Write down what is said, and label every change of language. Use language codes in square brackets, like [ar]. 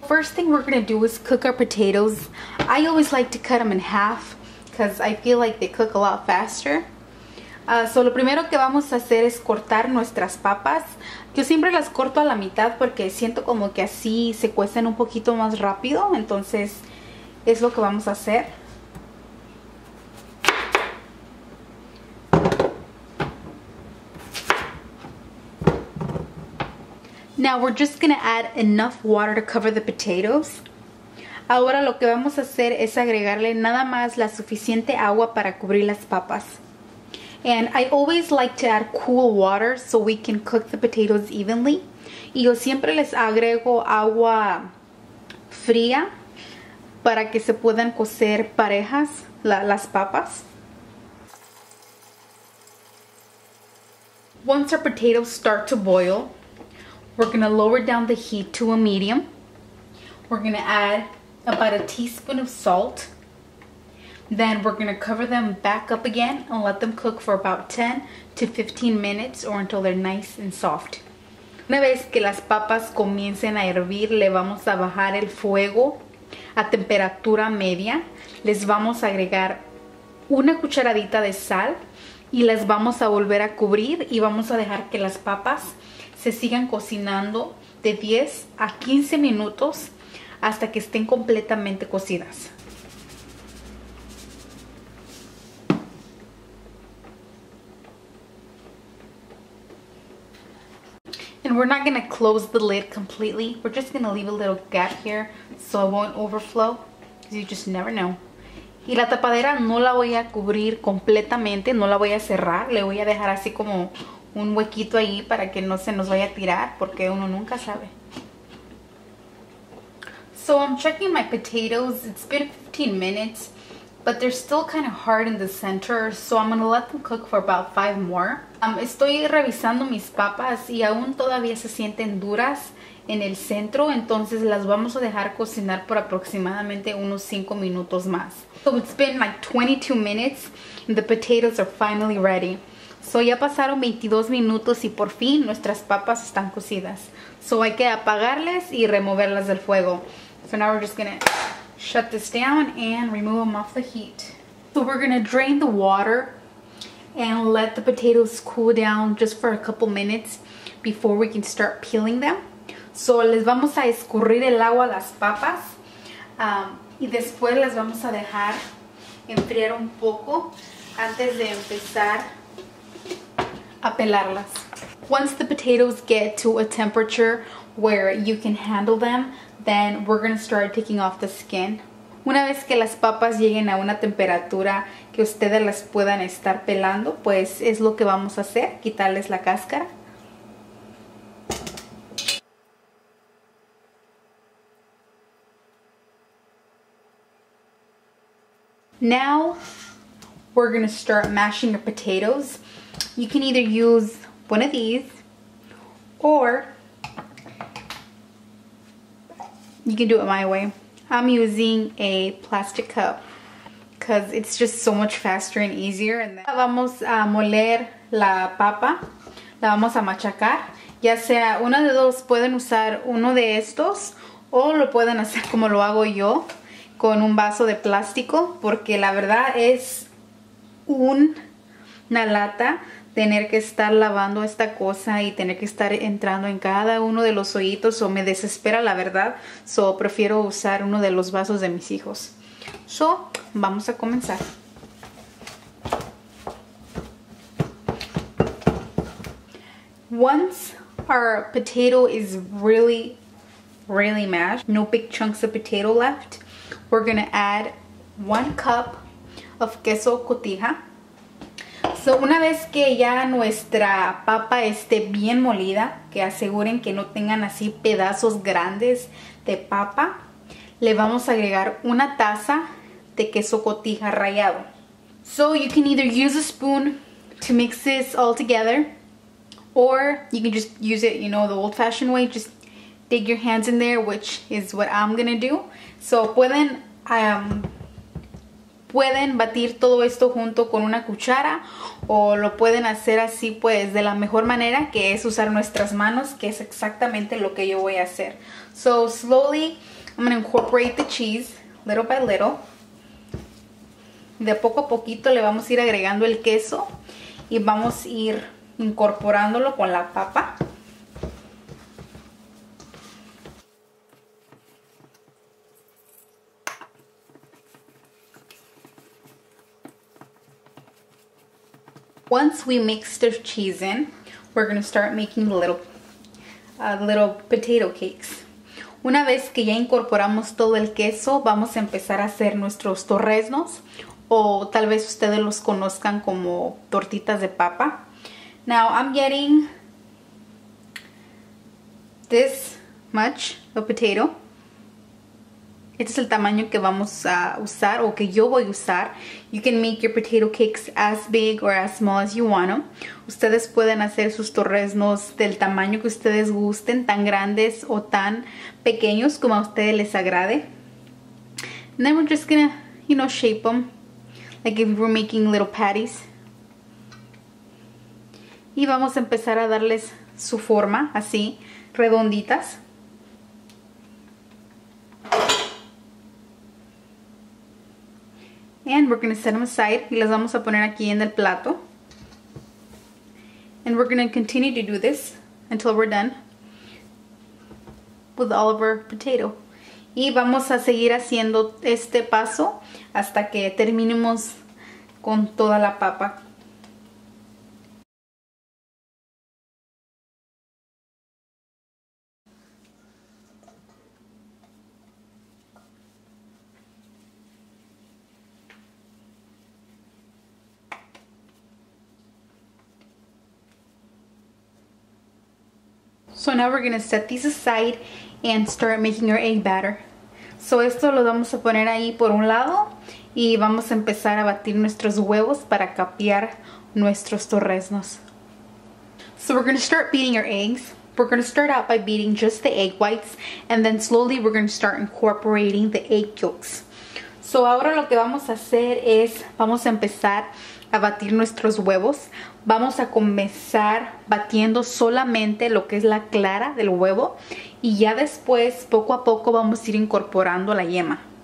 [en] First thing we're gonna do is cook our potatoes. I always like to cut them in half because I feel like they cook a lot faster. [es] So lo primero que vamos a hacer es cortar nuestras papas. Yo siempre las corto a la mitad porque siento como que así se cuecen un poquito más rápido, entonces es lo que vamos a hacer. [en] Now we're just gonna add enough water to cover the potatoes. [es] Ahora lo que vamos a hacer es agregarle nada más la suficiente agua para cubrir las papas. [en] And I always like to add cool water so we can cook the potatoes evenly. [es] Y yo siempre les agrego agua fría para que se puedan cocer parejas las papas. [en] Once our potatoes start to boil, we're gonna lower down the heat to a medium. We're gonna add about a teaspoon of salt. Then we're gonna cover them back up again and let them cook for about 10 to 15 minutes or until they're nice and soft. [es] Una vez que las papas comiencen a hervir, le vamos a bajar el fuego a temperatura media. Les vamos a agregar una cucharadita de sal y las vamos a volver a cubrir y vamos a dejar que las papas se sigan cocinando de 10 a 15 minutos hasta que estén completamente cocidas. [en] And we're not gonna close the lid completely. We're just gonna leave a little gap here so it won't overflow, because you just never know. [es] Y la tapadera no la voy a cubrir completamente, no la voy a cerrar, le voy a dejar así como un huequito ahí para que no se nos vaya a tirar, porque uno nunca sabe. [en] So I'm checking my potatoes. It's been 15 minutes, but they're still kind of hard in the center, so I'm gonna let them cook for about 5 more. [es] Estoy revisando mis papas y aún todavía se sienten duras en el centro, entonces las vamos a dejar cocinar por aproximadamente unos 5 minutos más. [en] So it's been like 22 minutes and the potatoes are finally ready. [es] So ya pasaron 22 minutos y por fin nuestras papas están cocidas. So hay que apagarlas y removerlas del fuego. [en] So now we're just gonna shut this down and remove them off the heat. So we're gonna drain the water and let the potatoes cool down just for a couple minutes before we can start peeling them. [es] So les vamos a escurrir el agua a las papas y después las vamos a dejar enfriar un poco antes de empezar a pelarlas. [en] Once the potatoes get to a temperature where you can handle them, then we're gonna start taking off the skin. [es] Una vez que las papas lleguen a una temperatura que ustedes las puedan estar pelando, pues es lo que vamos a hacer, quitarles la cáscara. [en] Now we're gonna start mashing the potatoes. You can either use one of these or You can do it my way. I'm using a plastic cup because it's just so much faster and easier. And then [es] vamos a moler la papa. La vamos a machacar. Ya sea una de dos, pueden usar uno de estos o lo pueden hacer como lo hago yo, con un vaso de plástico, porque la verdad es una lata tener que estar lavando esta cosa y tener que estar entrando en cada uno de los hoyitos, o me desespera la verdad, so prefiero usar uno de los vasos de mis hijos. So, vamos a comenzar. [en] Once our potato is really, really mashed, no big chunks of potato left, we're gonna add 1 cup of queso cotija. [es] So una vez que ya nuestra papa esté bien molida, que aseguren que no tengan así pedazos grandes de papa, le vamos a agregar 1 taza de queso cotija rallado. [en] So you can either use a spoon to mix this all together, or you can just use it, you know, the old fashioned way, just dig your hands in there, which is what I'm gonna do. [es] So pueden pueden batir todo esto junto con una cuchara, o lo pueden hacer así, pues, de la mejor manera, que es usar nuestras manos, que es exactamente lo que yo voy a hacer. [en] So slowly I'm gonna incorporate the cheese little by little. [es] De poco a poquito le vamos a ir agregando el queso y vamos a ir incorporándolo con la papa. [en] Once we mix the cheese in, we're gonna start making little potato cakes. [es] Una vez que ya incorporamos todo el queso, vamos a empezar a hacer nuestros torreznos, o tal vez ustedes los conozcan como tortitas de papa. [en] Now I'm getting this much of potato. [es] Este es el tamaño que vamos a usar, o que yo voy a usar. [en] You can make your potato cakes as big or as small as you want them. [es] Ustedes pueden hacer sus torreznos del tamaño que ustedes gusten, tan grandes o tan pequeños como a ustedes les agrade. [en] And then we're just gonna, you know, shape them like if we were making little patties. [es] Y vamos a empezar a darles su forma, así, redonditas. [en] And we're going to set them aside. [es] Y las vamos a poner aquí en el plato. [en] And we're going to continue to do this until we're done with all of our potato. [es] Y vamos a seguir haciendo este paso hasta que terminemos con toda la papa. [en] So now we're going to set these aside and start making our egg batter. [es] So esto lo vamos a poner ahí por un lado y vamos a empezar a batir nuestros huevos para capear nuestros torreznos. [en] So we're going to start beating our eggs. We're going to start out by beating just the egg whites, and then slowly we're going to start incorporating the egg yolks. [es] So ahora lo que vamos a hacer es vamos a empezar a batir nuestros huevos. Vamos a comenzar batiendo solamente lo que es la clara del huevo, y ya después, poco a poco, vamos a ir incorporando la yema.